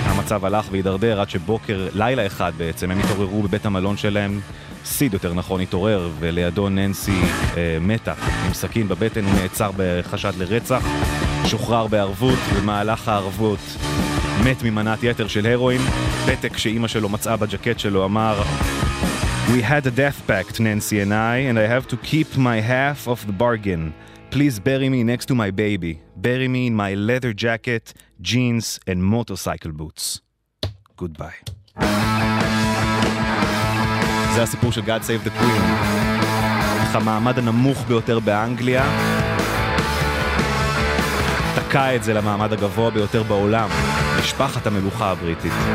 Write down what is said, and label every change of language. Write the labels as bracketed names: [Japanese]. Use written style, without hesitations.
[Hebrew] המצב הלך והידרדר עד שבוקר, לילה אחד בעצם, הם התעוררו בבית המלון שלהם, סיד יותר נכון התעורר, ולידו ננסי מתה עם סכין בבטן, הוא נעצר בחשד לרצח. שוחרר בערבות, במהלך הערבות מת ממנת יתר של הרואין. פתק שאימא שלו מצאה בג'קט שלו אמר, [English] "We had a death pact, Nancy and I have to keep my half of the bargain. Please bury me next to my baby. Bury me in my leather jacket, jeans and motorcycle boots. Goodbye." [Hebrew] זה הסיפור של God Save the Queen. איך המעמד הנמוך ביותר באנגליה תקע את זה למעמד הגבוה ביותר בעולם, משפחת המלוכה הבריטית.